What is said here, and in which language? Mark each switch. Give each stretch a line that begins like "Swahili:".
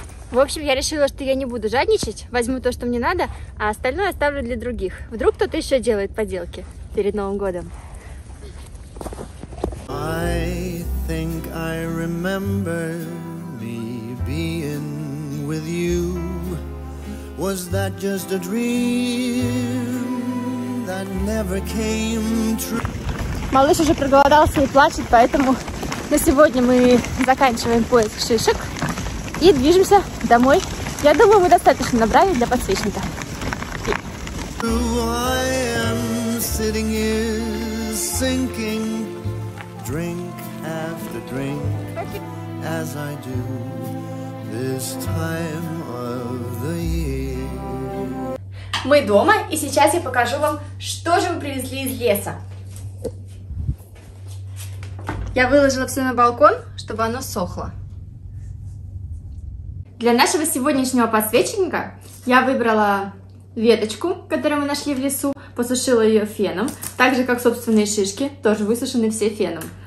Russian: В общем, я решила, что я не буду жадничать, возьму то, что мне надо, а остальное оставлю для других. Вдруг кто-то еще делает поделки перед Новым годом.
English: I think I remember me being with you. Was that just a dream that never came true?
Russian: Малыш уже проголодался и плачет, поэтому на сегодня мы заканчиваем поиск шишек и движемся домой. Я думаю, мы достаточно набрали для подсвечника.
English: I am sitting here sinking, drink after drink, as I do this time of the year.
Russian: Мы дома, и сейчас я покажу вам, что же мы привезли из леса. Я выложила все на балкон, чтобы оно сохло. Для нашего сегодняшнего подсвечника я выбрала веточку, которую мы нашли в лесу, посушила ее феном, так же, как собственные шишки, тоже высушены все феном.